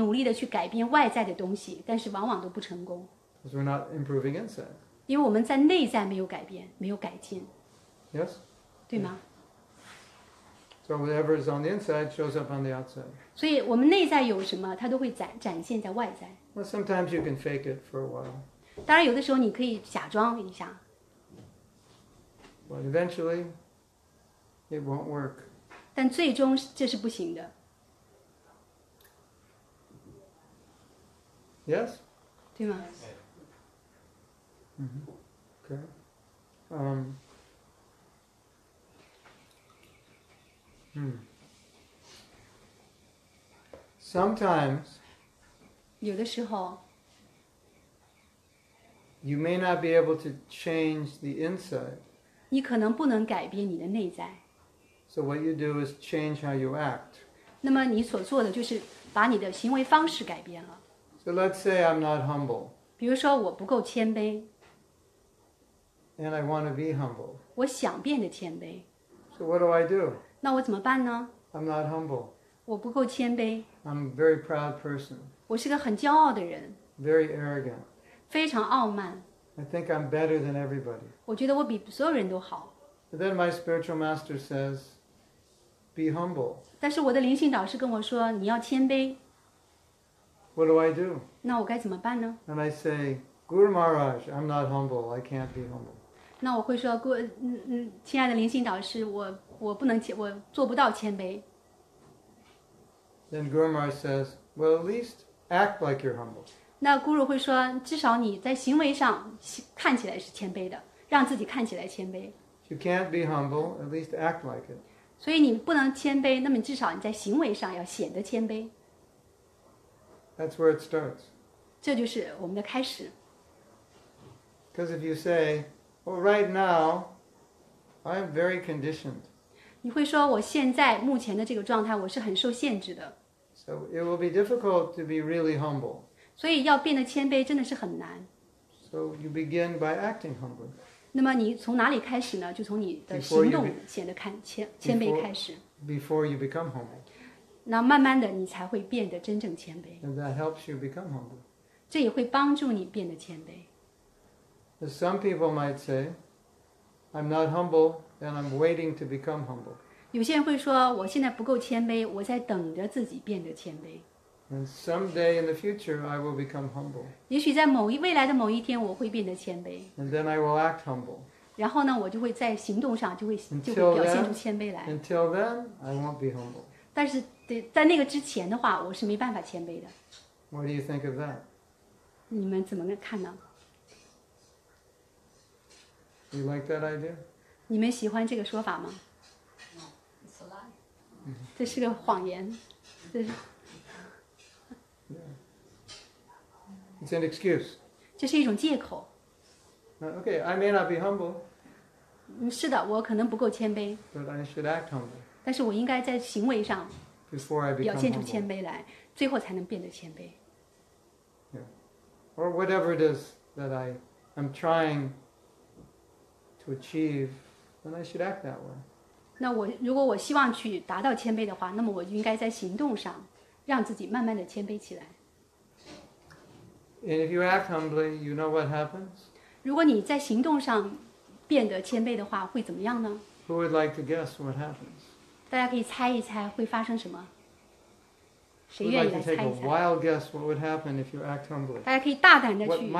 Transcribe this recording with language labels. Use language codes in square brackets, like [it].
[zh] 这就是为什么我们有时候经常努力地去改变外在的东西, 但是往往都不成功。 [en] Because we're not improving inside. [zh] 因为我们在内在没有改变, 没有改进。 [en] Yes? [zh] 对吗? [en] So whatever is on the inside shows up on the outside. [zh] 所以我们内在有什么, 它都会展现在外在。 [en] Well, sometimes you can fake it for a while. [zh] 当然有的时候你可以假装一下。 [en] But eventually, it won't work. [zh] 但最终这是不行的。 [en] Yes? Too much. Mm-hmm. Okay. Sometimes, [zh] 有的时候, [en] you may not be able to change the inside. [zh] 你可能不能改变你的内在. [en] So what you do is change how you act. [zh] 那么你所做的就是把你的行为方式改变了。 [en] So let's say I'm not humble. [zh] 比如说我不够谦卑。 [en] And I want to be humble. [zh] 我想变得谦卑。 [en] So what do I do? [zh] 那我怎么办呢? [en] I'm not humble. [zh] 我不够谦卑。 [en] I'm a very proud person. [zh] 我是个很骄傲的人。 [en] Very arrogant. [zh] 非常傲慢。 [en] I think I'm better than everybody. [zh] 我觉得我比所有人都好。 [en] But then my spiritual master says, be humble. [zh] 但是我的灵性导师跟我说, 你要谦卑。 [en] What do I do? [zh] 那我该怎么办呢? [en] And I say, Guru Maharaj, I'm not humble. I can't be humble. [zh] 那我会说, 亲爱的灵性导师, 我不能做不到谦卑。 [en] Then Guru Maharaj says, well, at least act like you're humble. [zh] 那Guru会说, 至少你在行为上看起来是谦卑的, 让自己看起来谦卑。 [en] You can't be humble, at least act like it. [zh] 所以你不能谦卑, 那么至少你在行为上要显得谦卑。 [en] That's where it starts. [zh] 这就是我们的开始。 [en] Because if you say, well, right now, I'm very conditioned. [zh] 你会说我现在目前的这个状态我是很受限制的。 [en] So it will be difficult to be really humble. [zh] 所以要变得谦卑真的是很难。 [en] So you begin by acting humble. [zh] 那么你从哪里开始呢? 就从你的行动显得谦卑开始。 [en] Before you become humble. [zh] 那慢慢的你才会变得真正谦卑。 [en] And that helps you become humble. [zh] 这也会帮助你变得谦卑。 [en] As some people might say, I'm not humble and I'm waiting to become humble. [zh] 有些人会说, 我现在不够谦卑, 我在等着自己变得谦卑。 [en] And someday in the future, I will become humble. [zh] 也许在未来的某一天, 我会变得谦卑。 [en] And then I will act humble. [zh] 然后呢, 我就会在行动上, 就会表现出谦卑来。 [en] Until then, I won't be humble. [zh] 但是在那个之前的话, 我是没办法谦卑的。 [en] What do you think of that? [zh] 你们怎么看呢? [en] Do you like that idea? [zh] 你们喜欢这个说法吗? Mm-hmm. 这是个谎言, 这是... [en] yeah. It's an excuse. [zh] 这是一种借口。 [en] Okay, I may not be humble. [zh] 是的, 我可能不够谦卑。 [en] But I should act humble. [zh] 但是我应该在行为上 [en] before I become [zh] 表现出谦卑来, [en] humble. [zh] 最后才能变得谦卑。 [en] Yeah. Or whatever it is that I'm trying to achieve, then I should act that way. [zh] 那我如果我希望去达到谦卑的话, 那么我应该在行动上让自己慢慢的谦卑起来。 [en] And if you act humbly, you know what happens? [zh] 如果你在行动上变得谦卑的话, 会怎么样呢? [en] Who would like to guess what happens? [zh] 大家可以猜一猜会发生什么? 谁愿意来猜一猜? [en] Who would like to take a wild guess what would happen if you act humbly?